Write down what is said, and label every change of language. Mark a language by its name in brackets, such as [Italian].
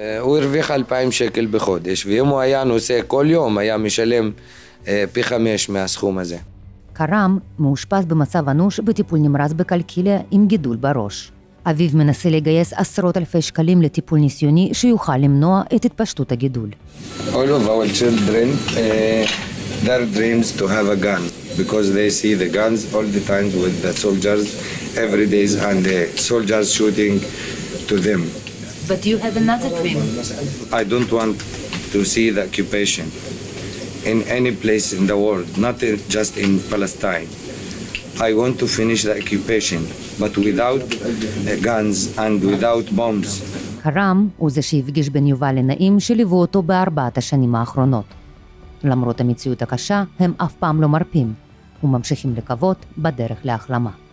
[Hebrew] הוא הרוויח 2,000 שקל בחודש, ואם הוא היה נוסע כל יום, היה משלם פי 5 מהסכום הזה. קרם מאושפז במצב אנוש בטיפול נמרץ בקלקיליה עם גידול בראש. אביו מנסה לגייס 10,000 שקלים לטיפול ניסיוני שיוכל למנוע את התפשטות הגידול. [English] All of our children, their dreams to have a gun, because they see the guns all the time with the soldiers. Every day is and the soldiers shooting to them. But you have another dream. I don't want to see the occupation in any place in the world, not just in Palestine. I want to finish the occupation, but without guns and without bombs. [Hebrew] קרם הוא זה שהפגיש בין יובל לנעים שליוו אותו בארבעת השנים האחרונות. למרות המציאות הקשה, הם אף פעם לא מרפים וממשיכים לקוות בדרך להחלמה.